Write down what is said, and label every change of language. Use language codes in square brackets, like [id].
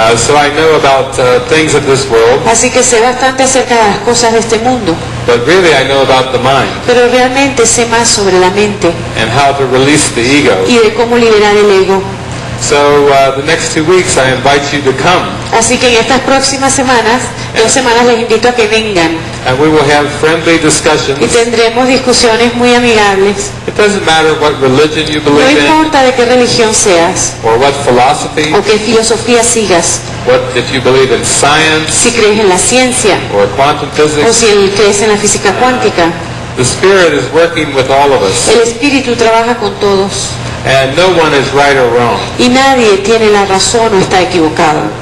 [en] So I know about things of this world. [es] Así que sé bastante acerca de las cosas de este mundo. [en] But really I know about the mind. [es] Pero realmente sé más sobre la mente. [en] And how to release the ego. [es] Y de cómo liberar el ego. [en] So the next 2 weeks I invite you to come. [es] Así que en estas próximas semanas, dos semanas les invito a que vengan. [en] And we will have friendly discussions. [es] Y tendremos discusiones muy amigables. [en] It doesn't matter what religion you believe in. [es] No importa de qué religión seas. [en] Or what philosophy. [es] O qué filosofía sigas. [en] What if you believe in science? [es] Si crees en la ciencia. [en] Or quantum physics. [es] O si crees en la física cuántica. [en] The spirit is working with all of us. [es] El espíritu trabaja con todos. [en] And no one is right or wrong. [es] Y nadie tiene la razón o está equivocado.